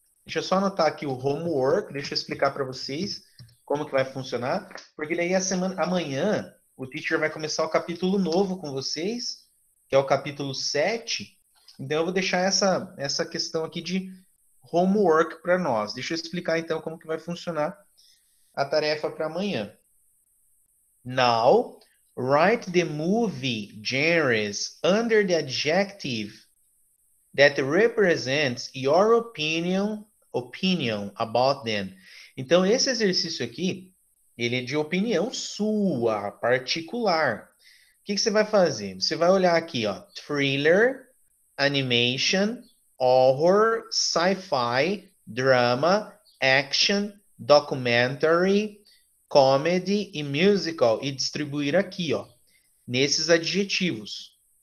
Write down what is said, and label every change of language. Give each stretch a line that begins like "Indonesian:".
Portuguese: Deixa eu só anotar aqui o homework, deixa eu explicar para vocês como que vai funcionar, porque daí a semana amanhã o teacher vai começar o capítulo novo com vocês. Que é o capítulo 7. Então, eu vou deixar essa questão aqui de homework para nós. Deixa eu explicar então como que vai funcionar a tarefa para amanhã.
English: Now, write the movie genres under the adjective that represents your opinion about them.
Portuguese: Então, esse exercício aqui, ele é de opinião sua, particular. O que que você vai fazer? Você vai olhar aqui, ó, thriller, animation, horror, sci-fi, drama, action, documentary, comedy e musical e distribuir aqui, ó, nesses adjetivos.